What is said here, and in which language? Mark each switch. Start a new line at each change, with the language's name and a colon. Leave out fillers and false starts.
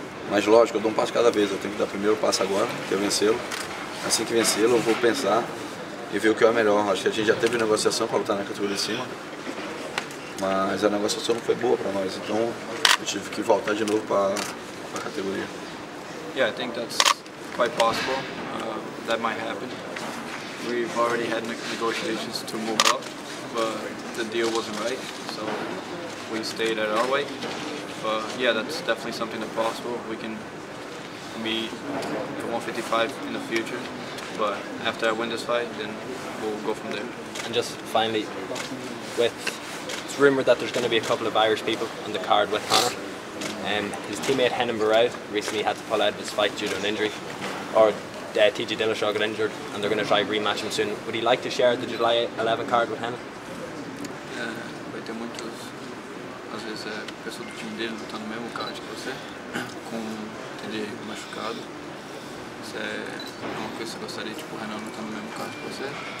Portuguese: Mas lógico, eu dou um passo cada vez. Eu tenho que dar o primeiro passo agora, que é vencê-lo. Assim que vencê-lo, eu vou pensar e ver o que é melhor. Acho que a gente já teve negociação para lutar na categoria de cima. Mas a negociação não foi boa para nós. Então eu tive que voltar de novo para a categoria.
English: Yeah, I think that's quite possible. That might happen. We've already had negotiations to move up. but the deal wasn't right, so we stayed at our way. But yeah, that's definitely something that's possible. We can meet at 155 in the future, but after I win this fight, then we'll go from there. And just finally, it's rumored that there's going to be a couple of Irish people on the card with Conor. His teammate Henan Barrow recently had to pull out of his fight due to an injury, or TJ Dillashaw got injured, and they're going to try to rematch him soon. Would he like to share the July 11 card with Henan?
Portuguese: Vai ter muitas, às vezes é pessoa do time dele lutando no mesmo card que você, com ele machucado. Isso é uma coisa que você gostaria, tipo o Henan lutando no mesmo card que você?